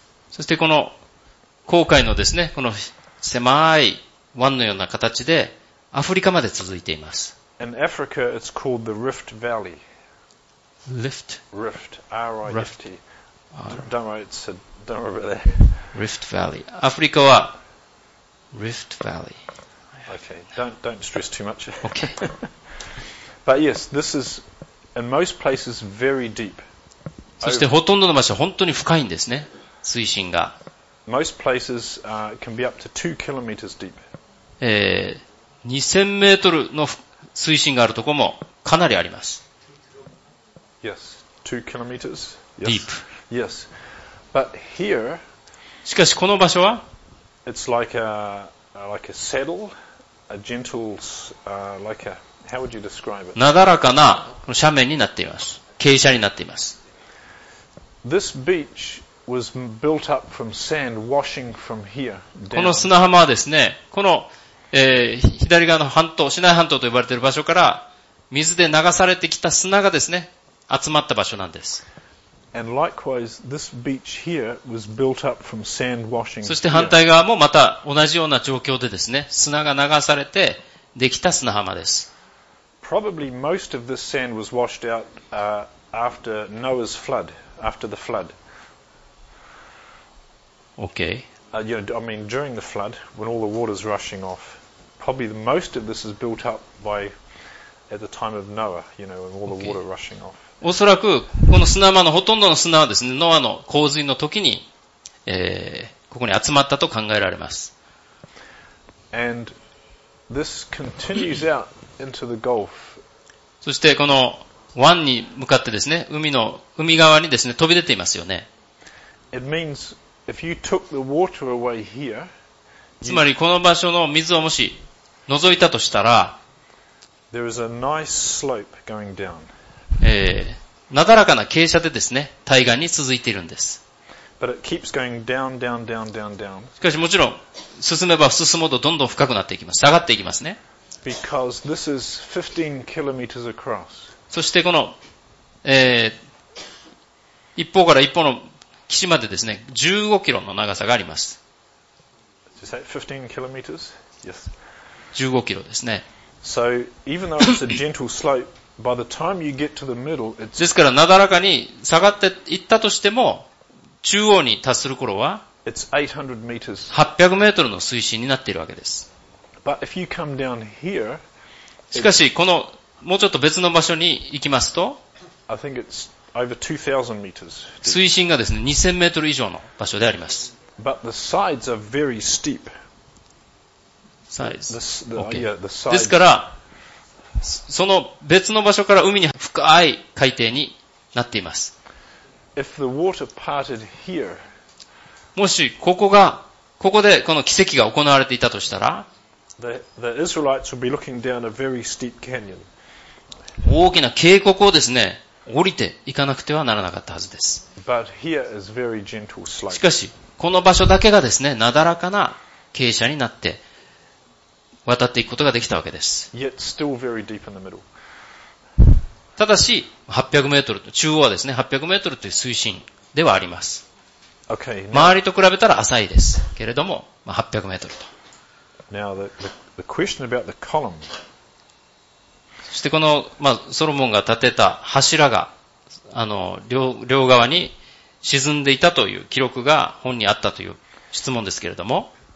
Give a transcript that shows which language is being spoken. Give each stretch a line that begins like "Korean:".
Japanese: そしてこの紅海のですね、この狭い湾のような形でアフリカまで続いています。
English: In Africa, it's called the Rift Valley. Rift. Rift. R-I-F-T. Don't worry about that. Rift Valley. Africa は Rift Valley. Okay. Don't stress too much. Okay. But yes, this is in most places very deep.
Japanese: そしてほとんどの場所は本当に深いんですね。水深が。
English: Most places can be up to 2 kilometers deep.
Japanese: 2000メートルの水深があるところもかなりあります。
English: Yes. 2 kilometers. Yes. Deep. Yes. But here,
Japanese: しかしこの場所は
English: It's like a saddle, a gentle, how would you describe it?
Japanese: なだらかな斜面になっています。傾斜になっています。
English: This beach was built up from sand washing from here down.
Japanese: この砂浜はですね、この、左側の半島、シナイ半島と呼ばれている場所から水で流されてきた砂がですね、集まった場所なんです。
English: And likewise, this beach here was built up from sand washing.
Japanese: そして反対側もまた同じような状況でですね、砂が流されてできた砂浜です。
English: Probably most of this sand was washed out after Noah's flood, after the flood. Okay. During the flood, when all the water's rushing off, probably the most of this is built up by at the time of Noah, you know, when all the water rushing off.
Japanese: おそらく、この砂浜のほとんどの砂はですね、ノアの洪水の時に、ここに集まったと考えられます。
English: And this continues out into the Gulf.
Japanese: そして、この湾に向かってですね、海側にですね、飛び出ていますよね。
English: It means if you took the water away here,
Japanese: つまり、この場所の水をもし覗いたとしたら、
English: There is a nice slope going down.
Japanese: なだらかな傾斜でですね、対岸に続いているんです。
English: But it keeps going down, down, down, down, down.
Japanese: しかしもちろん、進めば進むほどどんどん深くなっていきます。下がっていきますね。
English: Because this is 15 kilometers across.
Japanese: そしてこの、一方から一方の岸までですね、15キロの長さがあります。
English: Is that 15 kilometers? Yes.
Japanese: 15キロですね。
English: So, even though it's a gentle slope, By the time you get to the middle, it's
Japanese: ですからなだらかに下がっていったとしても中央に達する頃は 800メートル 800メートルの水深になっているわけです。
English: But if you come down here,
Japanese: しかしこのもうちょっと別の場所に行きますと
English: I think it's over 2000 meters.
Japanese: 水深がですね2000メートル以上の場所であります。
English: But the sides are very steep. Sides. Okay. Yeah, the sides.
Japanese: ですからその別の場所から海に深い海底になっています。
English: If the water parted here,
Japanese: もしここでこの奇跡が行われていたとしたら、
English: the Israelites will be looking down a very steep canyon.
Japanese: 大きな渓谷をですね、降りていかなくてはならなかったはずです。
English: But here is very gentle slope.
Japanese: しかし、この場所だけがですね、なだらかな傾斜になって渡っていくことができたわけです。
English: Yet still very deep in the middle.
Japanese: ただし800メートル中央はですね800メートルという水深ではあります。
English: Okay, now,
Japanese: 周りと比べたら浅いですけれども、まあ、800メートルと。
English: Now the question about the column.
Japanese: そしてこの、まあ、ソロモンが建てた柱があの 両側に沈んでいたという記録が本にあったという質問ですけれども。